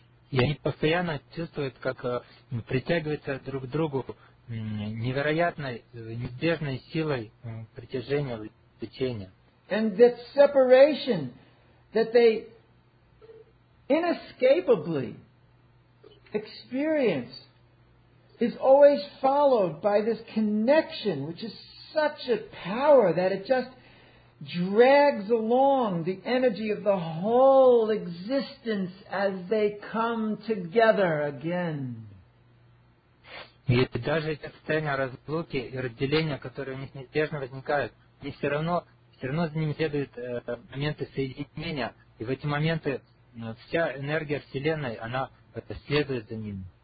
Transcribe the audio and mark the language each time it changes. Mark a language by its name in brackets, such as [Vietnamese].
[Russian] И они постоянно чувствуют, как притягиваются друг к другу невероятной, неизбежной силой притяжения и течения. [English] And that separation that they inescapably experience is always followed by this connection, which is such a power that it just drags along the energy of the whole existence as they come together again. [Russian] И даже это состояние разлуки и разделения, которые у них неизбежно возникают, они все равно за ними следуют моменты соединения, и в эти моменты вся энергия Вселенной, она следует за ними.